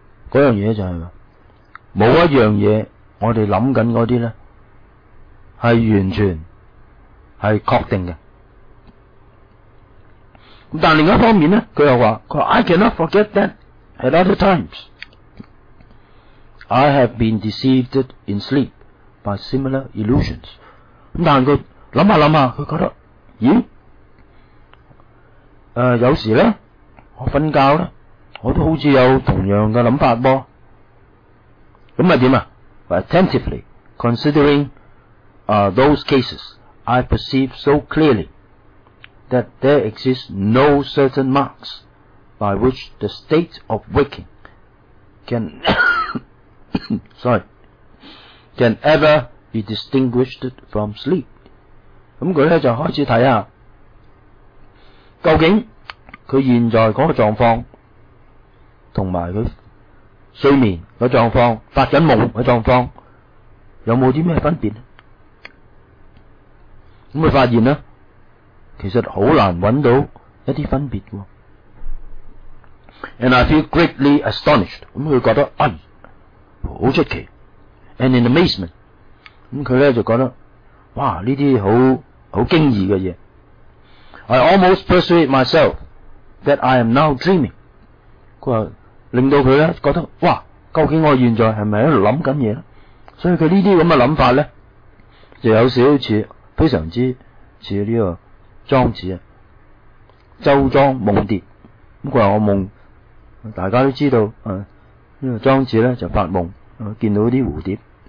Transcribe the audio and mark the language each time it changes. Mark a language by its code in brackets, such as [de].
[yue] 嗰样嘢就系、是、冇一样嘢，我哋谂紧嗰啲咧，系完全系确定嘅。但另一方面咧，佢又话：佢话 [en] I cannot forget that at other times I have been deceived in sleep by similar illusions。 [yue] 但佢谂下谂下，佢觉得咦？有时咧，我瞓觉咧，我都好似有同样嘅谂法噃。咁咪点啊 [en] ？Attentively considering those cases, I perceive so clearly that there exist no certain marks by which the state of waking can ever be distinguished from sleep。 [yue] 咁佢咧就开始睇下，究竟。佢現在嗰個狀況，同埋佢睡眠個狀況、發緊夢個狀況，有冇啲咩分別？咁佢发现咧，其实好难揾到一啲分别。 [en] And I feel greatly astonished. [yue] 咁佢觉得哎，好出奇。 [en] And in amazement. [yue] 咁佢咧就觉得，哇！呢啲好惊异嘅嘢。 [en] I almost persuade myself that I am now dreaming. [yue] 佢话令到佢咧觉得，哇！究竟我现在系咪喺度谂紧嘢？所以佢呢啲咁嘅谂法咧，就有少似非常之似呢个庄子啊，周庄梦蝶。咁佢话我梦，大家都知道，呢个庄子咧就发梦，见到啲蝴蝶。